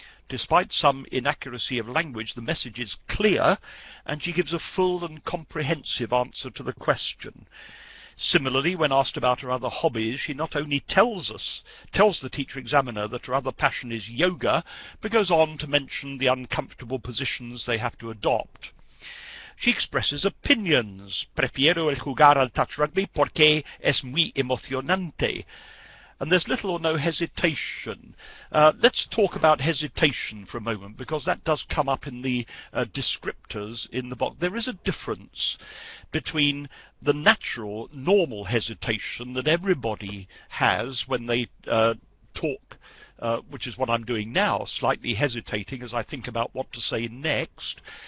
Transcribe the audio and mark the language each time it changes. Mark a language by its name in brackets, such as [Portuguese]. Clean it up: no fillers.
[English] Despite some inaccuracy of language, the message is clear, and she gives a full and comprehensive answer to the question. Similarly, when asked about her other hobbies, she not only tells the teacher examiner that her other passion is yoga, but goes on to mention the uncomfortable positions they have to adopt. She expresses opinions. [Spanish] Prefiero el jugar al touch rugby porque es muy emocionante. [English] And there's little or no hesitation. Let's talk about hesitation for a moment, because that does come up in the descriptors in the box. There is a difference between the natural, normal hesitation that everybody has when they talk, which is what I'm doing now, slightly hesitating as I think about what to say next.